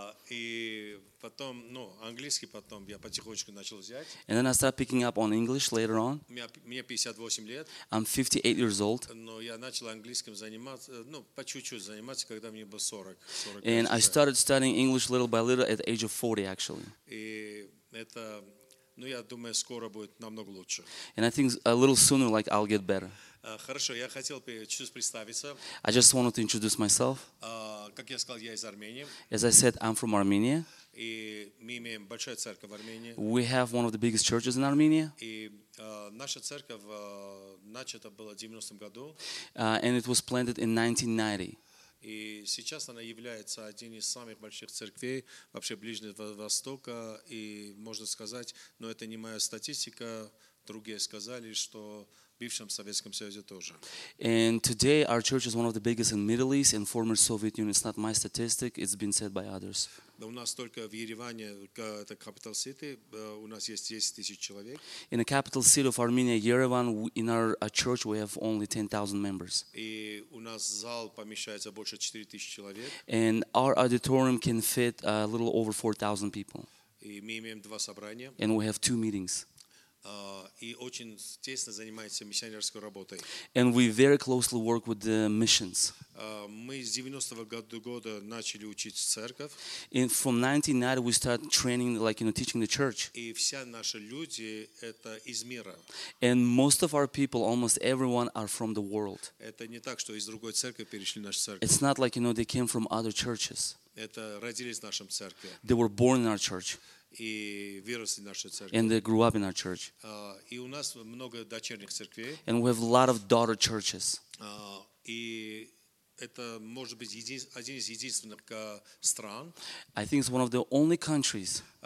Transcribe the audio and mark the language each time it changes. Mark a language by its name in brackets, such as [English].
[Russian] И потом, ну, английский потом я потихонечку начал взять. [English] And then I started picking up on English later on. [Russian] Мне 58 лет. [English] I'm 58 years old. [Russian] Но я начал английским заниматься, ну, по чуть-чуть заниматься, когда мне было 40. [English] And I started studying English little by little at the age of 40, actually. [Russian] И это, ну, я думаю, скоро будет намного лучше. [English] And I think a little sooner, like, I'll get better. [Russian] Хорошо, я хотел чуть-чуть представиться. [English] I just wanted to introduce myself. [Russian] Как я сказал, я из Армении. [English] As I said, I'm from Armenia. [Russian] И мы имеем большую церковь в Армении. [English] We have one of the biggest churches in Armenia. [Russian] И наша церковь начата была в 90-м году. [English] And it was planted in 1990. [Russian] И сейчас она является одной из самых больших церквей вообще Ближнего Востока. И можно сказать, но это не моя статистика, другие сказали, что бывшем Советском Союзе тоже. [English] And today our church is one of the biggest in Middle East and former Soviet Union. It's not my statistic, it's been said by others. [Russian] У нас только в Ереване, это [English] capital city, [Russian] у нас есть 10,000 человек. [English] In the capital city of Armenia, Yerevan, in our church we have only 10,000 members. [Russian] И у нас зал помещается больше 4,000 человек. [English] And our auditorium can fit a little over 4,000 people. [Russian] И мы имеем два собрания. [English] And we have two meetings. [Russian] И очень тесно занимается миссионерской работой. [English] And we very closely work with the missions. [Russian] Мы с 90-го года начали учить церковь. [English] And from 1990 we start training, like, you know, teaching the church. [Russian] И вся наши люди это из мира. [English] And most of our people, almost everyone, are from the world. [Russian] Это не так, что из другой церкви перешли в нашу церковь. [English] It's not like, you know, they came from other churches. [Russian] Это родились в нашем церкви. [English] They were born in our church. [Russian] И выросли в нашей церкви. [English] And they grew up in our church. [Russian] И у нас много дочерних церквей. [English] And we have a lot of daughter churches. [Russian] И это может быть один из единственных стран. [English] I think it's one of the only countries.